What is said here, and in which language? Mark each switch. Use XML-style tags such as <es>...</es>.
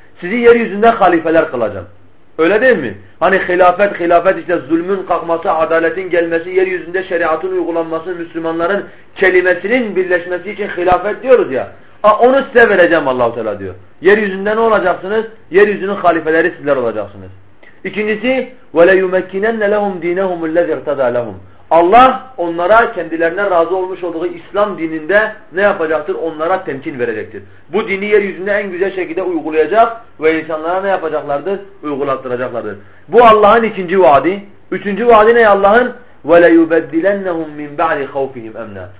<tr>Sizi yeryüzünde halifeler kılacağım. Öyle değil mi? Hani hilafet işte zulmün kalkması, adaletin gelmesi, yeryüzünde şeriatın uygulanması, Müslümanların kelimesinin birleşmesi için hilafet diyoruz ya. Onu size vereceğim Allah-u Teala diyor. Yeryüzünde ne olacaksınız? Yeryüzünün halifeleri sizler olacaksınız. İkincisi</tr> <ar>وَلَيُمَكِّنَنَّ لَهُمْ دِينَهُمُ الَّذِي اَرْتَدَى لَهُمْ.</ar> <tr>Allah onlara kendilerine razı olmuş olduğu İslam dininde ne yapacaktır? Onlara temkin verecektir. Bu dini yeryüzünde en güzel şekilde uygulayacak ve insanlara ne yapacaklardır? Uygulattıracaklardır. Bu Allah'ın ikinci vaadi. Üçüncü vaadi ne Allah'ın?</tr> <ar>وَلَيُبَدِّلَنَّهُمْ مِنْ بَعْلِ خَوْفِهِمْ اَمْنًا.</ar>